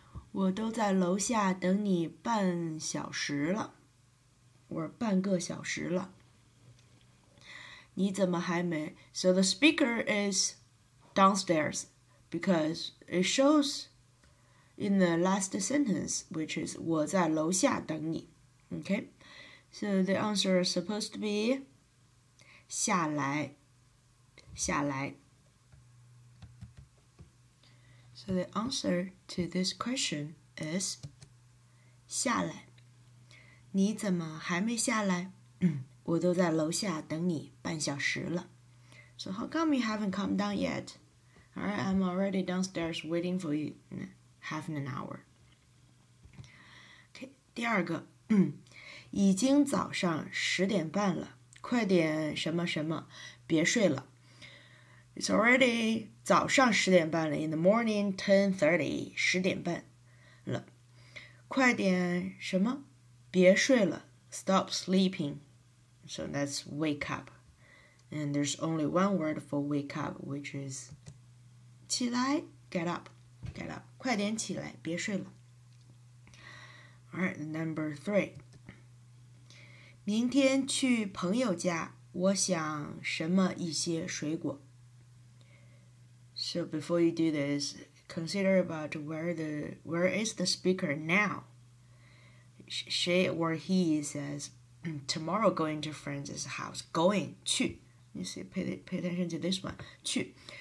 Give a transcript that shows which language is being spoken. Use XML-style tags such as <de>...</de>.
<zh>我都在楼下等你半小时了，我半个小时了。你怎么还没?</zh> <en>So the speaker is downstairs because it shows in the last sentence, which is</en> <zh>我在楼下等你.</zh> <en>Okay, so the answer is supposed to be</en> <zh>下来, 下来.</zh> <en>So the answer to this question is 下来.</en> <zh>你怎么还没下来? 我都在楼下等你半小时了。</zh> <en>So how come you haven't come down yet? Alright, I'm already downstairs waiting for you half an hour.</en> <zh>Okay, 第二个，已经早上十点半了，快点什么什么，别睡了。</zh> <en>It's already</en> <zh>早上十点半了</zh> <en>，in the morning 10:30,</en> <zh>十点半了，快点什么，别睡了</zh> <en>，stop sleeping. So that's wake up. And there's only one word for wake up, which is 起来, get up, get up.</en> <zh>快点起来,别睡了。</zh> <en>Alright, number three.</en> <zh>明天去朋友家,我想什么一些水果。</zh> <en>So before you do this, consider about where is the speaker now. She or he says,Tomorrow going to friend's house. Going, 去. You see, pay attention to this one. 去.</en>